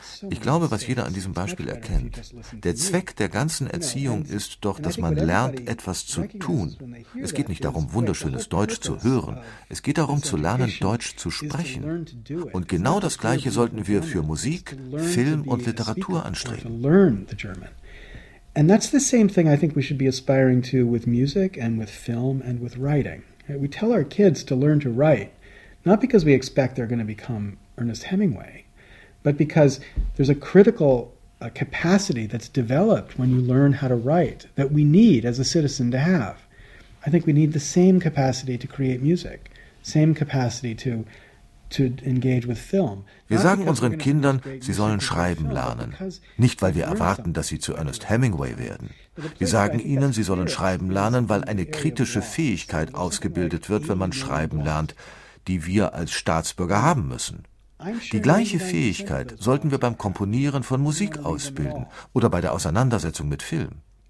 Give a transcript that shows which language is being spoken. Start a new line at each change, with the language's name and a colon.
German: Ich glaube, was jeder an diesem Beispiel erkennt, der Zweck der ganzen Erziehung ist doch, dass man lernt, etwas zu tun. Es geht nicht darum, wunderschönes Deutsch zu hören. Es geht darum, zu lernen, Deutsch zu sprechen. Und genau das Gleiche sollten wir für Musik, Film und Literatur anstreben.
English: And that's the same thing I think we should be aspiring to with music and with film and with writing. We tell our kids to learn to write, not because we expect they're going to become Ernest Hemingway, but because there's a critical capacity that's developed when you learn how to write that we need as a citizen to have. I think we need the same capacity to create music, same capacity to engage with film.
German: Wir sagen unseren Kindern, sie sollen schreiben lernen. Nicht, weil wir erwarten, dass sie zu Ernest Hemingway werden. Wir sagen ihnen, sie sollen schreiben lernen, weil eine kritische Fähigkeit ausgebildet wird, wenn man schreiben lernt, die wir als Staatsbürger haben müssen. Die gleiche Fähigkeit sollten wir beim Komponieren von Musik ausbilden oder bei der Auseinandersetzung mit Film.